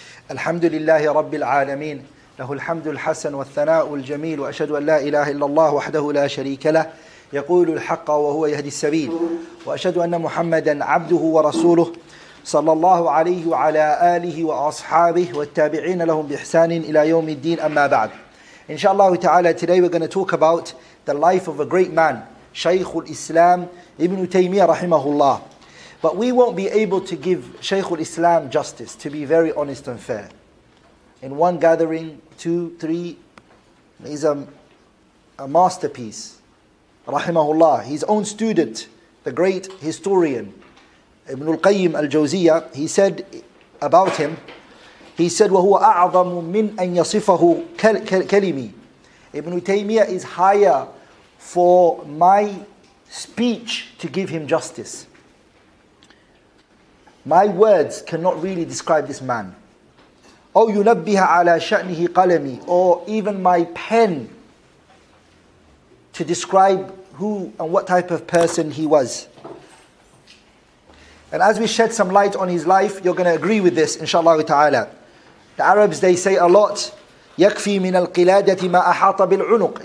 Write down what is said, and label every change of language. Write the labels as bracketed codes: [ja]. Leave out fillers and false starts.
[ar] الحمد لله رب العالمين له الحمد الحسن والثناء الجميل وأشهد أن لا إله إلا الله وحده لا شريك له يقول الحق وهو يهدي السبيل وأشهد أن محمدا عبده ورسوله صلى الله عليه وعلى آله وأصحابه والتابعين لهم بإحسان إلى يوم الدين أما بعد إن شاء الله تعالى [en] today we're going to talk about the life of a great man [ar] شيخ الإسلام ابن تيمية رحمه الله. [en] But we won't be able to give Shaykh al-Islam justice, to be very honest and fair. In one gathering, two, three, he's a masterpiece. Rahimahullah, his own student, the great historian, Ibn al-Qayyim al-Jawziyya, he said about him, he said, [ar] وَهُوَ أَعْظَمُ مِنْ أَنْ يَصِفَهُ كَلِمِي. [en] Ibn Taymiyyah is higher for my speech to give him justice. My words cannot really describe this man. [ar] أو ينبه على شأنه قلمي, [en] or even my pen to describe who and what type of person he was. And as we shed some light on his life, you're going to agree with this, inshallah ta'ala. The Arabs, they say a lot, [ar] يكفي من القلادة ما أحاط بالعنق.